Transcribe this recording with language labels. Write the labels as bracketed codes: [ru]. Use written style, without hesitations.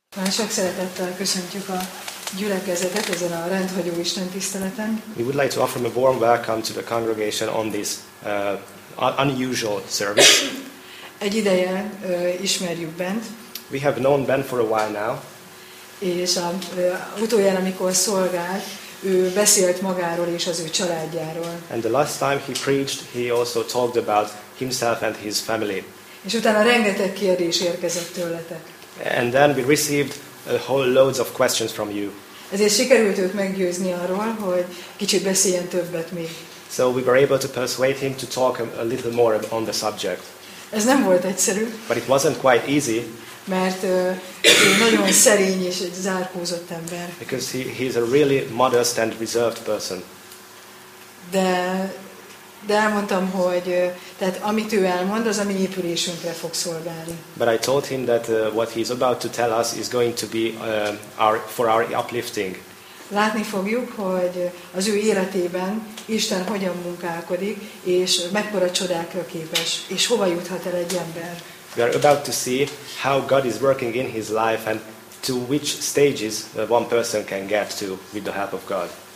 [hu] Sok szeretettel köszöntjük a gyülekezetet ezen a rendhagyó istentiszteleten. [en] We would like to offer a warm welcome to the congregation on this unusual service. [hu] Egy ideje ismerjük Bent. [en] We have known Ben for a while now. [hu] És utoljára, amikor szolgált, ő beszélt magáról és az ő családjáról. [en] And the last time he preached, he also talked about himself and his family. [hu] És utána rengeteg kérdés érkezett tőletek. [en] And then we received a whole loads of questions from you. [hu] Ezért sikerült őt meggyőzni arról, hogy kicsit beszéljen többet még. [en] So we were able to persuade him to talk a little more on the subject. [hu] Ez nem volt egyszerű. [en] But it wasn't quite easy. [hu] Mert ő nagyon szerény és egy zárkózott ember. [en] Because he is a really modest and reserved person. [hu] De elmondtam, hogy tehát amit ő elmond, az a mi épülésünkre fog szolgálni. [en] But I told him that what he's about to tell us is going to be for our uplifting. [hu] Látni fogjuk, hogy az ő életében Isten hogyan munkálkodik, és mekkora csodákra képes, és hova juthat el egy ember. [en] We are about to see how God is working in his life and to which stages one person can get to with the help of God.